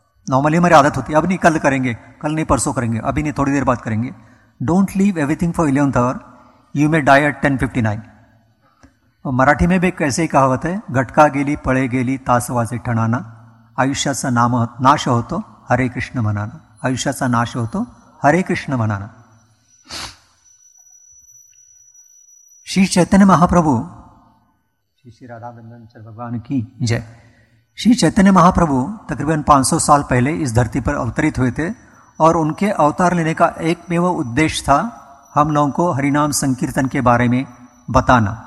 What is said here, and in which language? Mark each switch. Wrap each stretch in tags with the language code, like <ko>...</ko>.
<hi>Normally हमारी आदत होती है, अब नहीं कल करेंगे, कल नहीं परसों करेंगे, अभी नहीं थोड़ी देर बाद करेंगे,</hi> <en>Don't leave everything for 11th आवर, you may die at 10:59।</en> <hi>और मराठी में भी एक ऐसे ही कहावत है,</hi> <mr>घटका गेली पड़े गेली तास वाजे ठनाना, आयुष्याचा नाश होतो हरे कृष्ण मनाना। आयुष्याचा नाश होतो, हरे कृष्ण म्हणा.</mr> <hi>श्री चैतन्य महाप्रभू, श्री राधावृंदन चल भगवान की जय. श्री चैतन्य महाप्रभू तकरीबन 500 साल पहले इस धरती पर अवतरित हुए थे और उनके अवतार लेने का एकमेव उद्देश्य था हम लोगों को हरिनाम संकीर्तन के बारे में बताना.</hi>